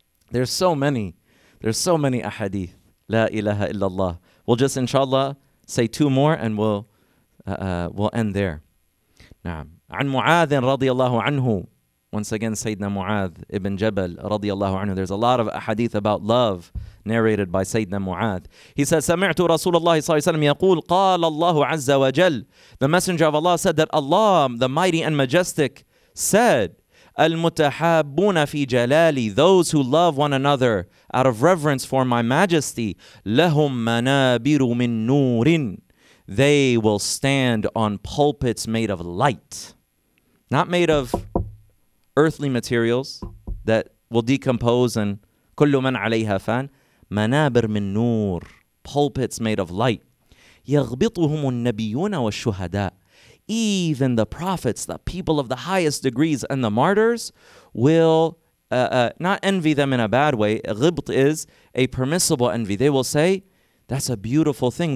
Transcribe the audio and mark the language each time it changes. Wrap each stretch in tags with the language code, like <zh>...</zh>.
<en>There's so many. There's so many ahadith.</en> <ar>لا إله إلا الله.</ar> <en>We'll just inshallah say two more and we'll end there.</en> <ar>نعم. عَنْ مُعَاذٍ رَضِيَ اللَّهُ عَنْهُ.</ar> <en>Once again, Sayyidina Mu'adh ibn Jabal radiyallahu anhu. There's a lot of ahadith about love narrated by Sayyidina Mu'adh. He says,</en> <ar>سَمِعْتُ رَسُولَ اللَّهِ صَلَّى اللَّهِ عَلَيْهِ وَسَلَّمَ يَقُولُ قَالَ اللَّهُ عَزَّ وَجَلَّ.</ar> <en>The Messenger of Allah said that Allah, the Mighty and Majestic, said,</en> <ar>الْمُتَحَابُّونَ فِي جَلَالِي.</ar> <en>Those who love one another out of reverence for my majesty.</en> <ar>لَهُمْ مَنَابِرُ مِن نُورٍ.</ar> <en>They will stand on pulpits made of light. Not made of earthly materials that will decompose and</en> <ar>كل من عليها فان منابر من نور,</ar> <en>pulpits made of light.</en> <ar>يغبطهم النبيون والشهداء.</ar> <en>Even the prophets, the people of the highest degrees and the martyrs will not envy them in a bad way. غبط is a permissible envy. They will say, that's a beautiful thing.</en>